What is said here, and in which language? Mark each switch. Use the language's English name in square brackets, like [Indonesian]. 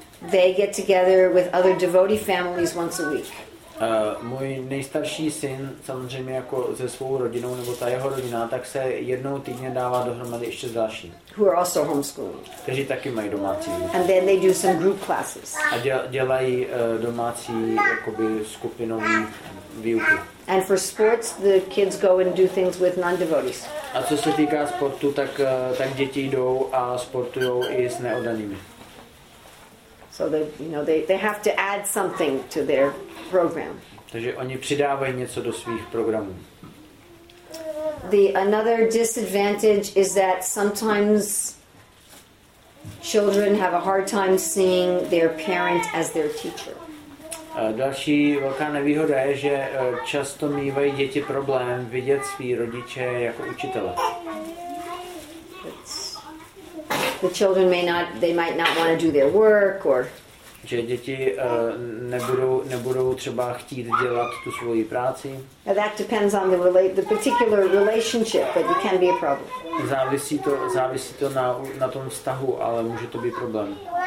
[English] They get together with other devotee families once a week. [Czech] Můj nejstarší syn, samozřejmě jako se svou rodinou nebo ta jeho rodina, tak se jednou týdně dává dohromady ještě s další. [English] Who are also homeschooled. [Czech] Kteří taky mají domácí. [English] And then they do some group classes. [Czech] A dělají domácí jakoby skupinový výuky. [English] And for sports, the kids go and do things with non-devotees. [Czech] A co se týká sportu, tak děti jdou a sportujou i s neoddanými. [English] So they, you know, they have to add something to their program. [Czech] Takže oni přidávají něco do svých programů. [English] The another disadvantage is that sometimes children have a hard time seeing their parent as their teacher. [Czech] Další velká nevýhoda je, že často mívají děti problém vidět svý rodiče jako učitele. [English] The children may not, they might not want to do their work or. [Czech] Že děti nebudou třeba chtít dělat tu svoji práci. [English] That depends on the particular relationship, but it can be a problem. [Czech] Závisí to na tom vztahu, ale může to být problém.